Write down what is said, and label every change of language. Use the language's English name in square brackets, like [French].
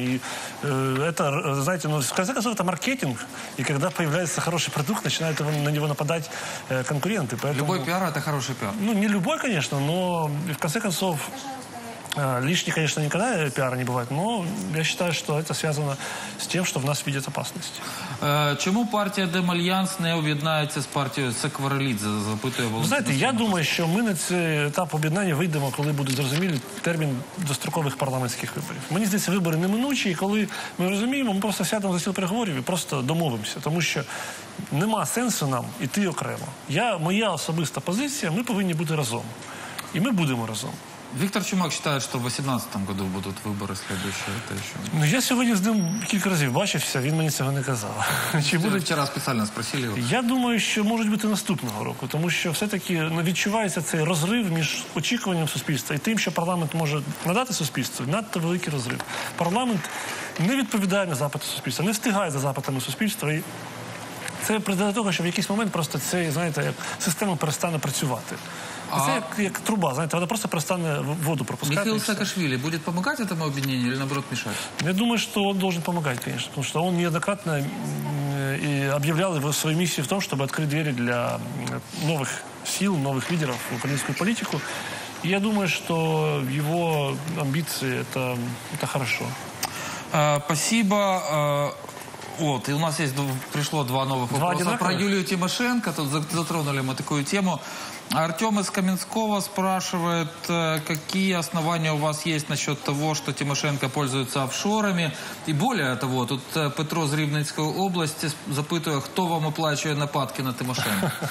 [Russian] И это, знаете, ну, в конце концов, это маркетинг. И когда появляется хороший продукт, начинают на него нападать конкуренты. Поэтому, любой пиар – это хороший пиар. Ну, не любой, конечно, но в конце концов, лишний, конечно, никогда пиара не бывает, но я считаю, что это связано с тем, что в нас видят опасность. Чему партия Демальянс [Ukrainian] не об'єднається [Russian] с партией Секваралідзе? [Ukrainian] Запитує Володимир. [Russian] Знаете, я думаю, что мы [Ukrainian] на цей [Russian] этап об'єднання [Ukrainian] вийдемо, [Russian] когда будет зрозумілий термин дострокових парламентских выборов. [Ukrainian] Мені здається, вибори неминучі, [Russian] и когда мы [Ukrainian] розуміємо, мы просто сядем за стіл переговорів и просто домовимся, [Russian] потому что [Ukrainian] нема сенсу нам идти окремо. Моя особиста позиція, [Russian] мы должны быть разом. И мы будем разом. Виктор Чумак считает, что в 2018 году будут выборы следующие. Это еще... Ну, я сегодня с ним несколько раз [Ukrainian] бачився, [Russian] он мне этого не сказал. Будет... Вчера специально спросили его. Я думаю, что может быть и [Ukrainian] наступного року, [Russian] потому что все-таки [Ukrainian] відчувається цей розрив між очікуванням суспільства [Russian] и тем, что парламент может [Ukrainian] надати суспільству, надто великий розрив. Парламент не відповідає на запити суспільства, не встигає за запитами суспільства. І... Це приведе до того, що в якийсь момент просто цей, знаєте, як система перестане працювати. А... Це як труба, знаєте, вона просто перестане воду пропускати. Михаил Саакашвили буде допомагати цьому об'єднанню чи [Russian] наоборот [Ukrainian] мішати? Я думаю, що він має допомагати, звісно, тому що він неоднократно об'являв свою місію в тому, щоб відкрити двері для нових сил, нових лідерів в українську політику. І я думаю, що його амбіції – це добре. [Russian] Спасибо. Вот, и у нас есть, пришло два новых вопроса про Юлию Тимошенко. Тут затронули мы такую тему. Артем из Каменского спрашивает, какие основания у вас есть насчет того, что Тимошенко пользуется офшорами. И более того, тут Петро из Рівненської области запитує, кто вам оплачивает нападки на Тимошенко.